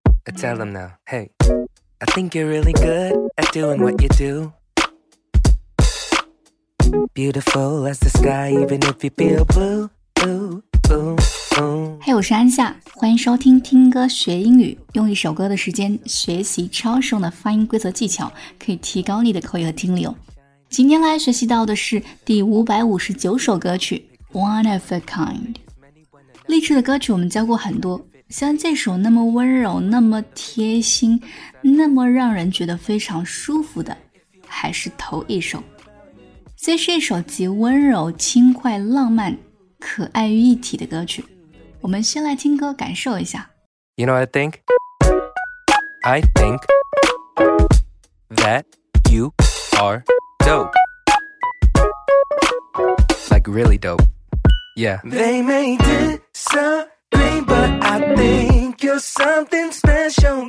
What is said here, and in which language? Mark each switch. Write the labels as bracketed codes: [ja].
[en] I tell them now, hey, I think you're really good at doing what you do. Beautiful as the sky, even if you feel blue, blue, blue. [zh] 嘿，我是安夏，欢迎收听听歌学英语，用一首歌的时间学习超实用的发音规则技巧，可以提高你的口语和听力哦。今天来学习到的是第559首歌曲 One of a Kind。励志的歌曲我们教过很多，像这首那么温柔，那么贴心，那么让人觉得非常舒服的还是头一首。这是一首集温柔、轻快、浪漫、可爱于一体的歌曲，我们先来听歌感受一下。 [en] You know, I think I think that you are dope, like really dope. Yeah. They may disagree, but I think you're something special.